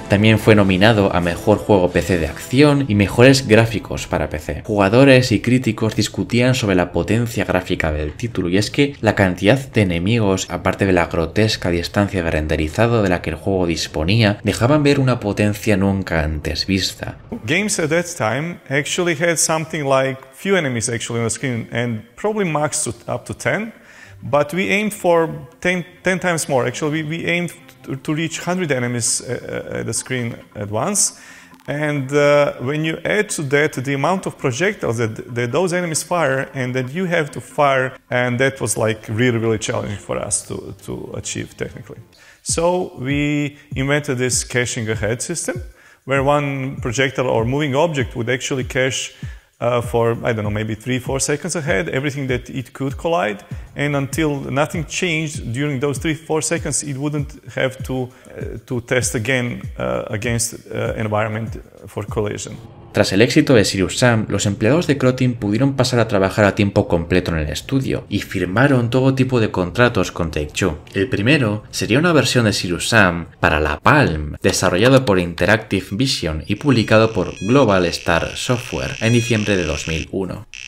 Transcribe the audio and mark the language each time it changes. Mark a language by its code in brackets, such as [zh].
[es] También fue nominado a Mejor Juego PC de Acción y Mejores Gráficos para PC. Jugadores y críticos discutían sobre la potencia gráfica del título y es que la cantidad de enemigos, aparte de la grotesca distancia de renderizado de la que el juego disponía, dejaban ver una potencia nunca antes vista. [en] Games at that time actually had something like few enemies actually on the screen and probably max to up to 10, but we aimed for 10 times more. Actually, we aimed to reach 100 enemies at the screen at once. And when you add to that the amount of projectiles that those enemies fire and that you have to fire, and that was like really, really challenging for us to achieve technically. So we invented this caching ahead system where one projectile or moving object would actually cache for, I don't know, maybe 3-4 seconds ahead, everything that it could collide. And until nothing changed during those 3-4 seconds, it wouldn't have to test again against environment for collision. [es] Tras el éxito de Serious Sam, los empleados de Croteam pudieron pasar a trabajar a tiempo completo en el estudio y firmaron todo tipo de contratos con Take-Two. El primero sería una versión de Serious Sam para la Palm, desarrollado por Interactive Vision y publicado por Global Star Software en diciembre de 2001.